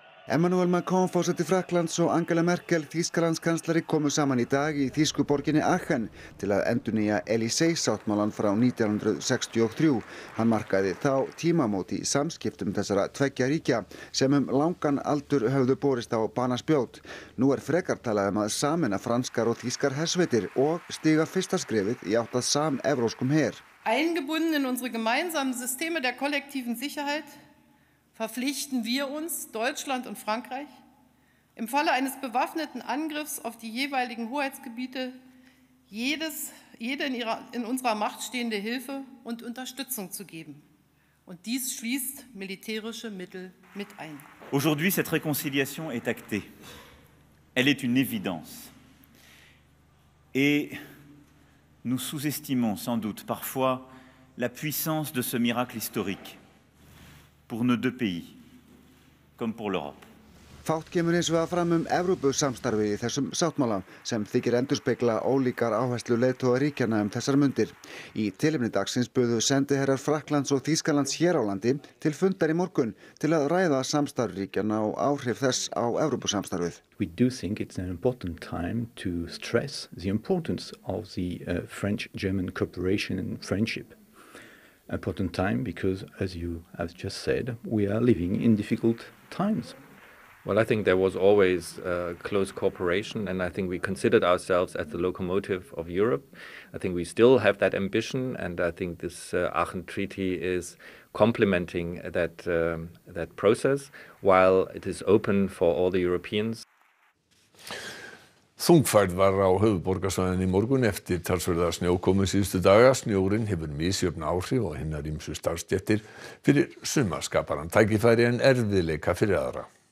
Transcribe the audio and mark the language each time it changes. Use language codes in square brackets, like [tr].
[is] Emmanuel Macron, forseti Frakklands og Angela Merkel, Þýskalandskanslari, komu saman í dag í þýsku borginni Aachen til að endurnýja Elysée-sáttmálan frá 1963. Hann markaði þá tímamót í samskiptum þessara tveggja ríkja sem langan aldur höfðu borist á banaspjót. Nú frekar talað að sameina franskar og þýskar hersveitir og stíga fyrsta skrefið í átt að samevróskum her. [de] Eingebunden in unsere gemeinsamen Systeme der kollektiven Sicherheit verpflichten wir uns, Deutschland und Frankreich, im Falle eines bewaffneten Angriffs auf die jeweiligen Hoheitsgebiete, jede in unserer Macht stehende Hilfe und Unterstützung zu geben. Und dies schließt militärische Mittel mit ein. [fr] Aujourd'hui, cette réconciliation est actée. Elle est une évidence. Et nous sous-estimons sans doute parfois la puissance de ce miracle historique. Pour nos deux pays, comme pour l'Europe. [is] Fátt kemur eins og að fram Evrópusamstarfi í þessum sáttmála sem þykir endurspegla ólíkar áherslu leiðtoga ríkjanna þessar mundir. Í tilefni dagsins buðu sendiherrar Frakklands og Þýskalands hér á landi til fundar í morgun til að ræða samstarf ríkjanna og áhrif þess á Evrópusamstarfið. [en] We do think it's an important time to stress the importance of the French-German cooperation and friendship. Important time because, as you have just said, we are living in difficult times. Well, I think there was always close cooperation, and I think we considered ourselves as the locomotive of Europe. I think we still have that ambition, and I think this Aachen Treaty is complementing that that process, while it is open for all the Europeans. [is] Þungfærð var á höfuðborgarsvæðinni í morgun eftir talsverða snjókomu síðustu daga. Snjórinn hefur misjöfn áhrif og hinnar ýmsu starfstéttir. Fyrir suma skapar hann tækifæri en erfiðleika fyrir aðra.